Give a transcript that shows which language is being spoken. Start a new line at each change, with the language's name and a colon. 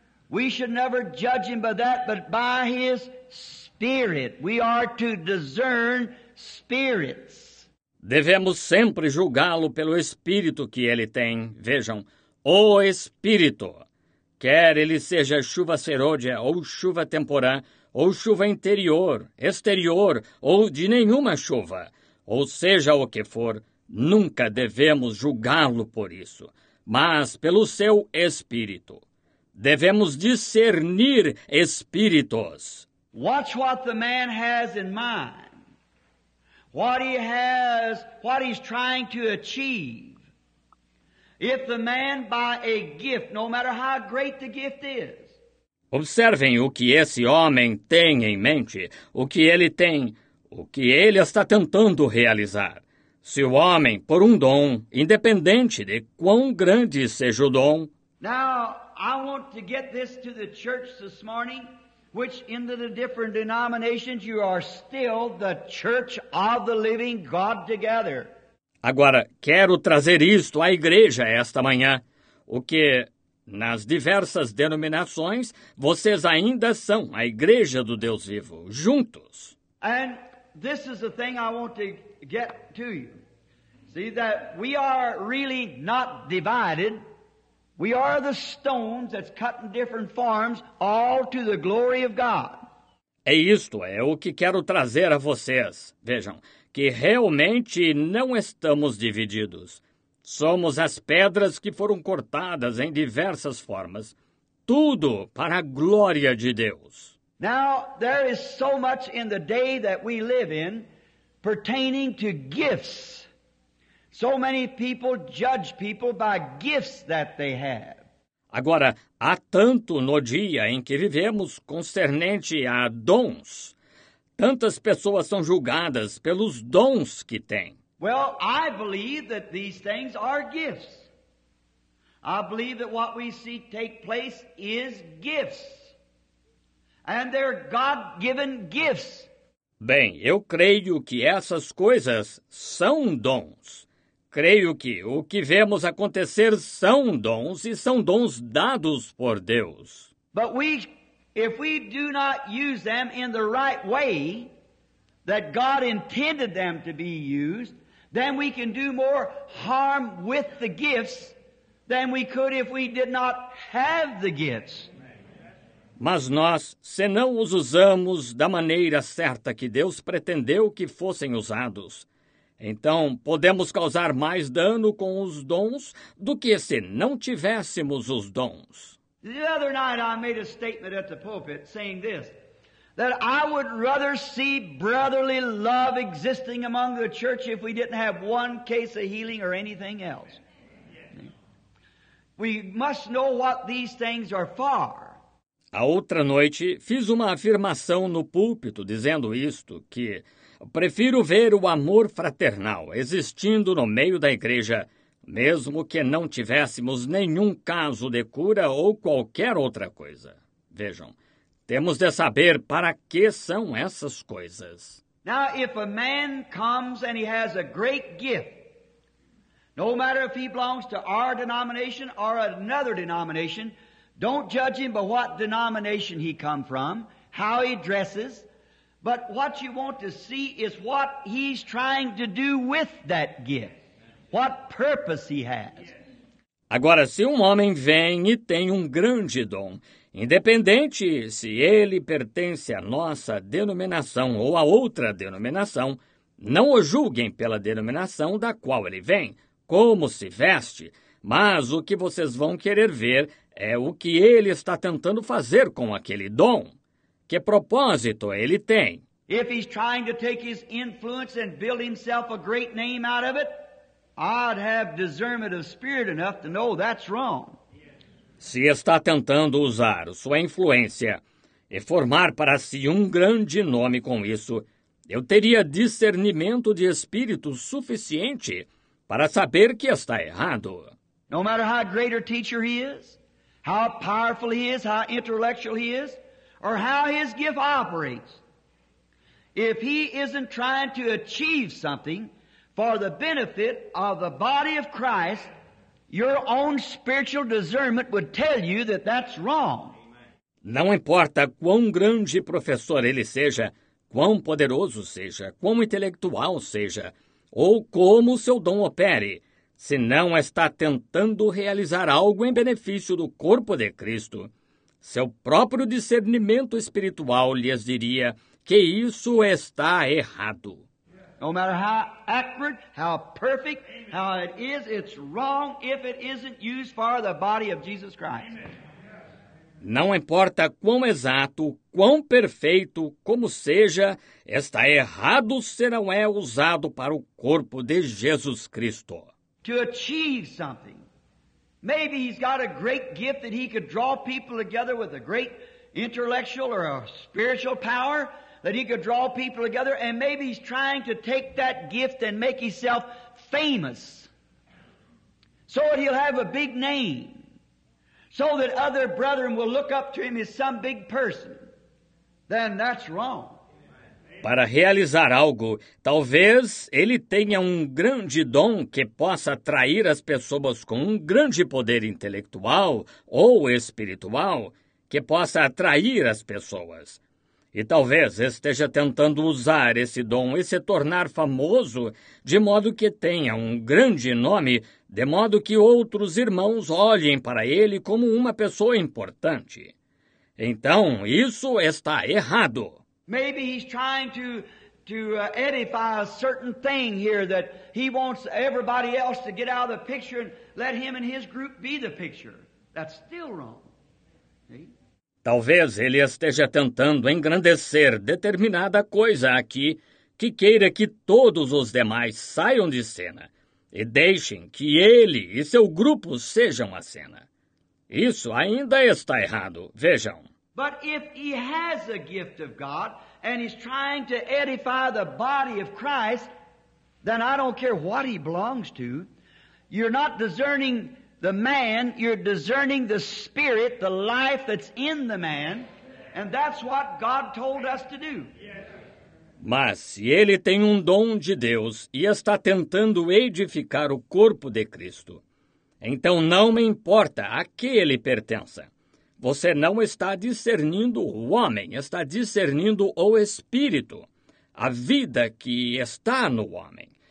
English: We should never judge him by that, but by his spirit. We are to discern spirits.
Portuguese: Devemos sempre julgá-lo pelo espírito que ele tem. Vejam, o espírito. Quer ele seja chuva serôdia ou chuva temporã, ou chuva interior, exterior, ou de nenhuma chuva. Ou seja o que for, nunca devemos julgá-lo por isso, mas pelo seu espírito. Devemos discernir espíritos.
English: Watch what the man has in mind. What he has, what he's trying to achieve. If the man by a gift, no matter how great the gift is.
Portuguese: Observem o que esse homem tem em mente, o que ele tem. O que ele está tentando realizar. Se o homem, por um dom, independente de quão grande seja o dom.
English: Now, I want to get this to the church this morning, which in the different denominations you are still the church of the living God together.
Portuguese: Agora, quero trazer isto à igreja esta manhã. O que, nas diversas denominações, vocês ainda são a igreja do Deus vivo, juntos.
English: And this is the thing I want to get to you. See, that we are really not divided. We are the stones that's cut in different forms, all to the glory of God.
Portuguese: É isto, é o que quero trazer a vocês. Vejam, que realmente não estamos divididos. Somos as pedras que foram cortadas em diversas formas. Tudo para a glória de Deus.
English: Now, there is so much in the day that we live in pertaining to gifts. So many people judge people by gifts that they have.
Portuguese: Agora, há tanto no dia em que vivemos concernente a dons. Tantas pessoas são julgadas pelos dons que têm.
English: Well, I believe that these things are gifts. I believe that what we see take place is gifts. And they're God-given gifts.
Portuguese: Bem, eu creio que essas coisas são dons. Creio que o que vemos acontecer são dons e são dons dados por Deus.
English: But if we do not use them in the right way that God intended them to be used, then we can do more harm with the gifts than we could if we did not have the gifts.
Portuguese: Mas nós, se não os usamos da maneira certa que Deus pretendeu que fossem usados, então podemos causar mais dano com os dons do que se não tivéssemos os dons.
English: The other night I made a statement at the pulpit saying this, that I would rather see brotherly love existing among the church if we didn't have one case of healing or anything else. We must know what these things are for.
Portuguese: A outra noite, fiz uma afirmação no púlpito dizendo isto, que prefiro ver o amor fraternal existindo no meio da igreja, mesmo que não tivéssemos nenhum caso de cura ou qualquer outra coisa. Vejam, temos de saber para que são essas coisas.
English: Now, if a man comes and he has a great gift, no matter if he belongs to our denomination or another denomination, don't judge him by what denomination he come from, how he dresses, but what you want to see is what he's trying to do with that gift, what purpose he has.
Portuguese: Agora, se homem vem e tem grande dom, independente se ele pertence à nossa denominação ou a outra denominação, não o julguem pela denominação da qual ele vem, como se veste, mas o que vocês vão querer ver é o que ele está tentando fazer com aquele dom. Que propósito ele tem?
English: If he's trying to take his influence and build himself a great name out of it, I'd have discernment of spirit enough to know that's wrong.
Portuguese: Se está tentando usar sua influência e formar para si grande nome com isso, eu teria discernimento de espírito suficiente para saber que está errado.
English: No matter how great a teacher he is, how powerful he is, how intellectual he is, or how his gift operates. If he isn't trying to achieve something for the benefit of the body of Christ, your own spiritual discernment would tell you that that's wrong.
Portuguese: Não importa quão grande professor ele seja, quão poderoso seja, quão intelectual seja, ou como seu dom opere, se não está tentando realizar algo em benefício do corpo de Cristo, seu próprio discernimento espiritual lhes diria que isso está errado.
English: No matter how accurate, how perfect, how it is, it's wrong if it isn't used for the body of Jesus Christ.
Portuguese: Não importa quão exato, quão perfeito, como seja, está errado se não é usado para o corpo de Jesus Cristo.
English: To achieve something. Maybe he's got a great gift that he could draw people together with a great intellectual or a spiritual power that he could draw people together, and maybe he's trying to take that gift and make himself famous so that he'll have a big name, so that other brethren will look up to him as some big person. Then that's wrong.
Portuguese: Para realizar algo, talvez ele tenha grande dom que possa atrair as pessoas com grande poder intelectual ou espiritual, que possa atrair as pessoas. E talvez esteja tentando usar esse dom e se tornar famoso, de modo que tenha grande nome, de modo que outros irmãos olhem para ele como uma pessoa importante. Então, isso está errado.
English: Maybe he's trying to edify a certain thing here that he wants everybody else to get out of the picture and let him and his group be the picture. That's still wrong. See?
Portuguese: Talvez ele esteja tentando engrandecer determinada coisa aqui que queira que todos os demais saiam de cena e deixem que ele e seu grupo sejam a cena. Isso ainda está errado. Vejam.
English: But if he has a gift of God and he's trying to edify the body of Christ, then I don't care what he belongs to. You're not discerning the man, you're discerning the spirit, the life that's in the man, and that's what God told us to do.
Portuguese: Mas se ele tem um dom de Deus e está tentando edificar o corpo de Cristo, então não me importa a que ele pertença. Você não está discernindo o homem, está discernindo o Espírito, a vida que está no homem.